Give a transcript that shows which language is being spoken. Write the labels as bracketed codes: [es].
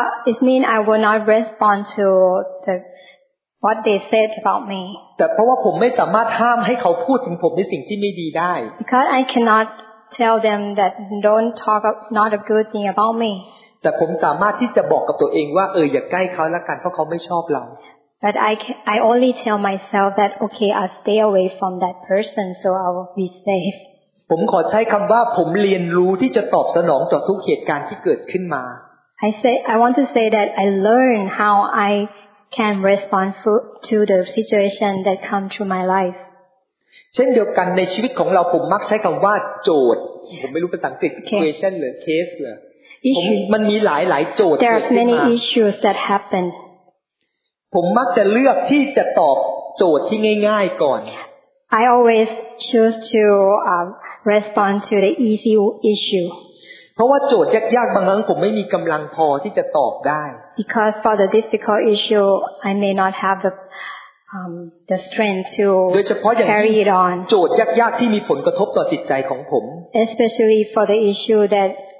[en] It means I will not respond to what they said about me. [th] แต่เพราะว่าผมไม่สามารถห้ามให้เขาพูดถึงผมในสิ่งที่ไม่ดีได้ [en] Because I cannot tell them that don't talk not a good thing about me. [th] แต่ผมสามารถที่จะบอกกับตัวเองว่าเอออย่าใกล้เขาละกันเพราะเขาไม่ชอบเรา [en] But I only tell myself that okay I'll stay away from that person so I'll be safe. [th] ผมขอใช้คำว่าผมเรียนรู้ที่จะตอบสนองต่อทุกเหตุการณ์ที่เกิดขึ้นมา [en] I want to say that I learn how I can respond to the situation that come to my life. [th] เช่นเดียวกันในชีวิตของเราผมมักใช้คำว่าโจทย์ผมไม่รู้ภาษาอังกฤษ situation หรือ case หรือมันมีหลายโจทย์ [en] There are many issues that happen [th] ผมมักจะเลือกที่จะตอบโจทย์ที่ง่ายๆก่อน [en] I always choose to respond to the easy issue [th] เพราะว่าโจทย์ยากๆบางครั้งผมไม่มีกำลังพอที่จะตอบได้ [en] Because for the difficult issue I may not have the strength to carry it on [th] โจทย์ยากๆที่มีผลกระทบต่อจิตใจของผม [en] Especially for the issue that